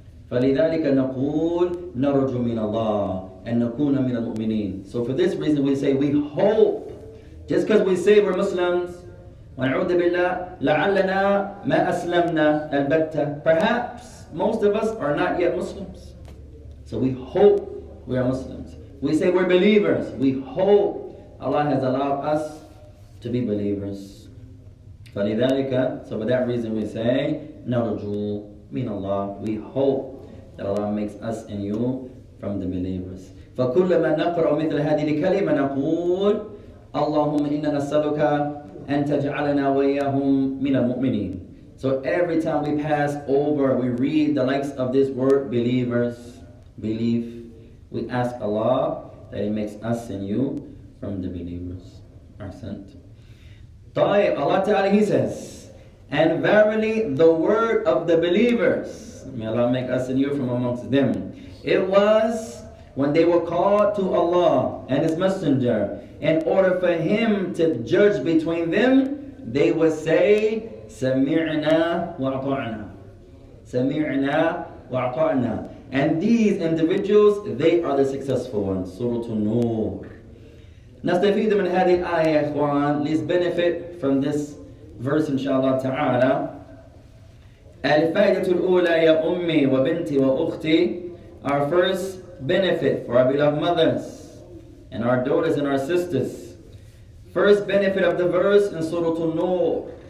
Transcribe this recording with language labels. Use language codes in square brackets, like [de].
[ar] فلذلك نقول نرجو من الله أن نكون من المؤمنين. [en] So for this reason we say we hope. Just because we say we're Muslims, [ar] ونعوذ بالله لعلنا ما أسلمنا البتة. [en] Perhaps most of us are not yet Muslims. So we hope we are Muslims. We say we're believers. We hope Allah has allowed us to be believers. فلذلك, so for that reason we say, [ar] نرجو من الله. [en] We hope that Allah makes us and you from the believers. [ar] فكلما نقرأ مثل هذه الكلمة نقول, اللهم إنا نسألك أن تجعلنا وإياهم من المؤمنين. [en] So every time we pass over, we read the likes of this word, believers, belief, we ask Allah that He makes us and you from the believers, our sent. طيب, Allah Ta'ala, He says, and verily the word of the believers, may Allah make us and you from amongst them. It was when they were called to Allah and His Messenger, in order for Him to judge between them, they would say, [ar] سَمِعْنَا وَعْطَعْنَا. سَمِعْنَا وَعْطَعْنَا. [en] And these individuals, they are the successful ones. Surah An-Nur. [ar] نستفيد من هذه الآية يا إخوان. [en] Let's benefit from this verse, inshallah ta'ala. [ar] الفائدة الأولى يا أمي وبنتي وأختي. [en] Our first benefit for our beloved mothers and our daughters and our sisters. First benefit of the verse in Surah An-Nur.